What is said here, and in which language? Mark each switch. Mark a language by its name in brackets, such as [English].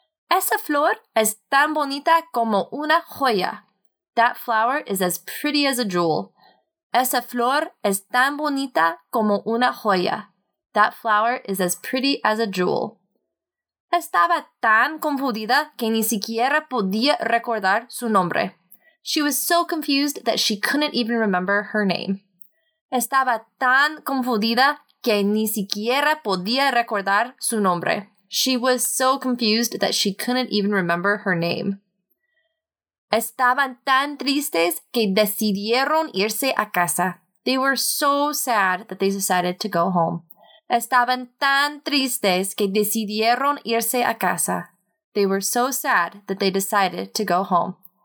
[Spanish] Esa flor es tan bonita como una joya. [English] That flower is as pretty as a jewel. [Spanish] Esa flor es tan bonita como una joya. [English] That flower is as pretty as a jewel. [Spanish] Estaba tan confundida que ni siquiera podía recordar su nombre. [English] She was so confused that she couldn't even remember her name. [Spanish] Estaba tan confundida que ni siquiera podía recordar su nombre. [English] She was so confused that she couldn't even remember her name. [Spanish] Estaban tan tristes que decidieron irse a casa. [English] They were so sad that they decided to go home. [Spanish] Estaban tan tristes que decidieron irse a casa. [English] They were so sad that they decided to go home.